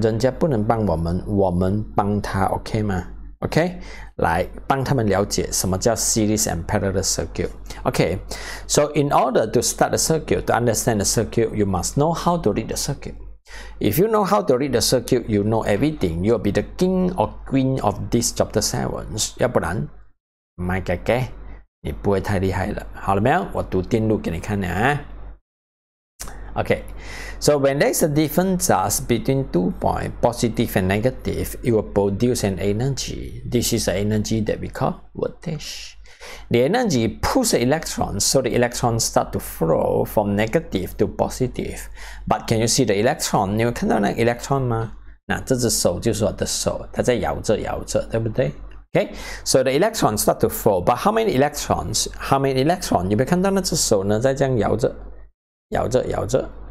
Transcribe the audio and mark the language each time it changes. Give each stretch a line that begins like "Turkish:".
Chinese: 人家不能帮我们, 我们帮他, okay 吗? Okay, 来帮他们了解什么叫
English: series and parallel circuit. Okay, so in order to start the circuit, to understand the circuit, you must know how to read the circuit. If you know how to read the circuit, you know everything. You'll be the king or queen of this chapter 7.
Chinese: 要不然, 不要改革, 你不会太厉害了。好了没有？我读电路给你看啊。
English: Okay, so when there's a difference between two points, positive and negative, it will produce an energy. This is the energy that we call voltage. The energy pulls the electrons, so the electrons start to flow from negative to positive. But can you see the electron?
Chinese: 你有看到那个 electron 吗? 那这只手就是我的手，它在摇着摇着，对不对？
English: Okay, so the electrons start to flow, but how many electrons? How many electrons?
Chinese: 你有没有看到那只手呢，在这样摇着，摇着摇着？